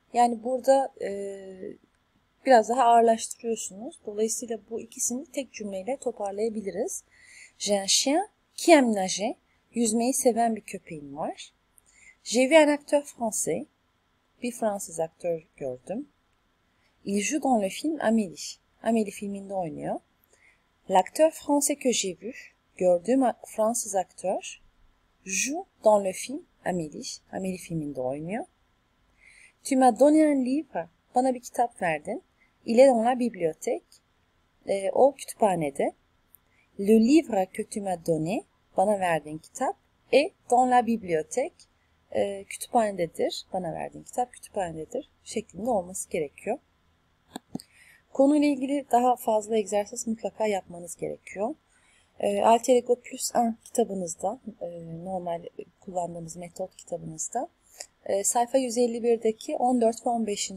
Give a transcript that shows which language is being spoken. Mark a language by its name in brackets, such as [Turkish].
[Turkish] Yani burada biraz daha ağırlaştırıyorsunuz. Dolayısıyla bu ikisini tek cümleyle toparlayabiliriz. [French] J'ai un chien qui aime nager. [Turkish] Yüzmeyi seven bir köpeğim var. [French] J'ai vu un acteur français. [Turkish] Bir Fransız aktör gördüm. [French] Il joue dans le film Amélie. [Turkish] Amélie filminde oynuyor. [French] L'acteur français que j'ai vu. [Turkish] gördüğüm Fransız aktör [French] joue dans le film Amélie. [Turkish] Amélie filminde oynuyor. [French] Tu m'as donné un livre. [Turkish] Bana bir kitap verdin. [French] Il est dans la bibliothèque. [Turkish] O kütüphanede. [French] Le livre que tu m'as donné. [Turkish] Bana verdiğin kitap. [French] Et dans la bibliothèque. [Turkish] Kütüphanededir. Bana verdiğin kitap kütüphanededir. Şeklinde olması gerekiyor. Konuyla ilgili daha fazla egzersiz mutlaka yapmanız gerekiyor. Alter Ego Plus 1 kitabınızda, normal kullandığımız metot kitabınızda, sayfa 151'deki 14 ve 15.